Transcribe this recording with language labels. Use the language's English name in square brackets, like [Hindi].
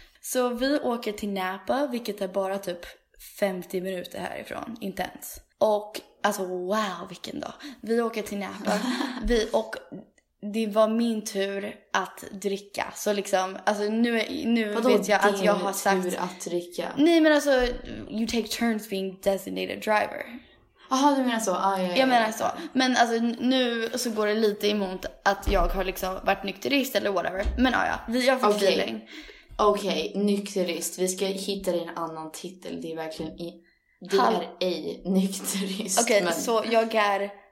[Swedish] Så vi åker till Napa, vilket är bara typ 50 minuter härifrån. Inte ens. Och alltså, wow, vilken dag. Vi åker till Napa. Det var min tur att dricka. Så liksom, alltså nu vet jag att jag har sagt... tur att dricka? Nej, men alltså, [English] you take turns being designated driver. [Swedish] Jaha, du menar så? Ah, jag menar så. Men alltså, nu så går det lite emot att jag har liksom varit nykterist eller whatever. Men ja, jag får feeling. Okej, nykterist. Vi ska hitta en annan titel. Det är verkligen... är ej nykterist. Okej, okay, men... så jag är...